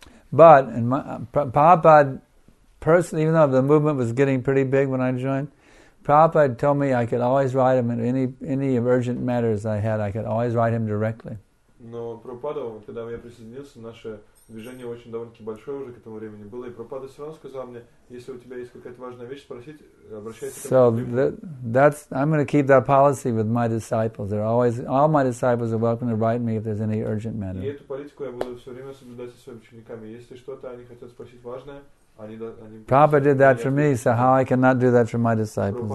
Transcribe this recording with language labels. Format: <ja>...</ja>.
<en>But and Prabhupada personally, even though the movement was getting pretty big when I joined, Prabhupada told me I could always write him in any urgent matters I had. I could always write him directly.</en> <ru>Но Прабхупада, когда я присоединился, наше движение очень довольно-таки большое уже к этому времени было, и Прабхупада все равно сказал мне, если у тебя есть какая-то важная вещь спросить, обращайся к нему.</ru> <en>That's I'm going to keep that policy with my disciples. They're always all my disciples are welcome to write me if there's any urgent matter.</en> <ru>И эту политику я буду все время соблюдать со своими учениками. Если что-то они хотят спросить важное, они.</ru> <en>Prabhupada did that for me, so how I cannot do that for my disciples?</en>